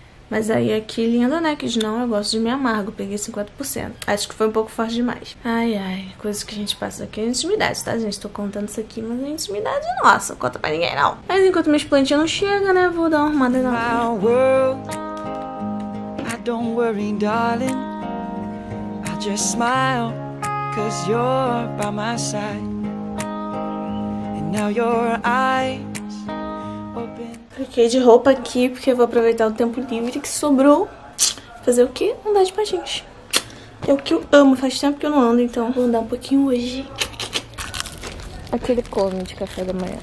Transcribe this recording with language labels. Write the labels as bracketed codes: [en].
[pt] Mas aí aqui lindo, né? Que não, eu gosto de meio amargo, peguei 50%. Acho que foi um pouco forte demais. Ai, ai, coisa que a gente passa aqui é intimidade, tá, gente? Tô contando isso aqui, mas é intimidade nossa, não conta pra ninguém não. Mas enquanto minhas plantinhas não chegam, né, vou dar uma arrumada na minha. [en] I don't worry, darling. Just smile, 'cause you're by my side. And now your eyes open. [pt] Fiquei de roupa aqui porque eu vou aproveitar o tempo livre que sobrou. Fazer o quê? Andar de patins. É o que eu amo, faz tempo que eu não ando, então vou andar um pouquinho hoje. Aquele come de café da manhã.